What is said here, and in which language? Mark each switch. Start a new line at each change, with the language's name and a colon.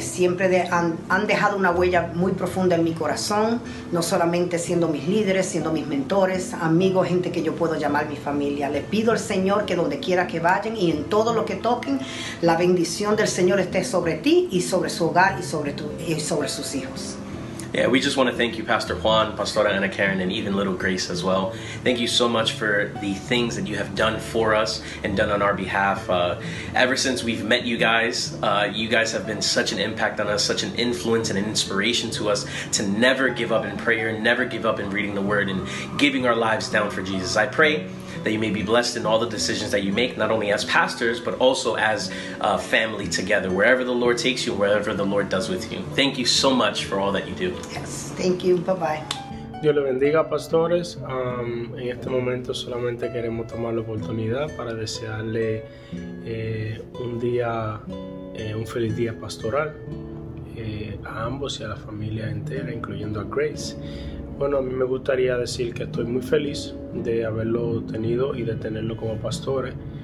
Spanish: Siempre han dejado una huella muy profunda en mi corazón, no solamente siendo mis líderes, siendo mis mentores, amigos, gente que yo puedo llamar mi familia. Le pido al Señor que donde quiera que vayan y en todo lo que toquen, la bendición del Señor esté sobre ti y sobre su hogar y sobre sus hijos.
English: Yeah, we just want to thank you, Pastor Juan, Pastora Ana Karen, and even Little Grace as well. Thank you so much for the things that you have done for us and done on our behalf. Ever since we've met you guys have been such an impact on us, such an influence and an inspiration to us to never give up in prayer, never give up in reading the Word and giving our lives down for Jesus. I pray that you may be blessed in all the decisions that you make, not only as pastors, but also as a family together, wherever the Lord takes you, wherever the Lord does with you. Thank you so much for all that you do. Yes, thank you. Bye-bye.
Spanish: Dios le bendiga, pastores. En este momento solamente queremos tomar la oportunidad para desearle un feliz día pastoral a ambos y a la familia entera, incluyendo a Grace. Bueno, a mí me gustaría decir que estoy muy feliz de haberlo tenido y de tenerlo como pastores.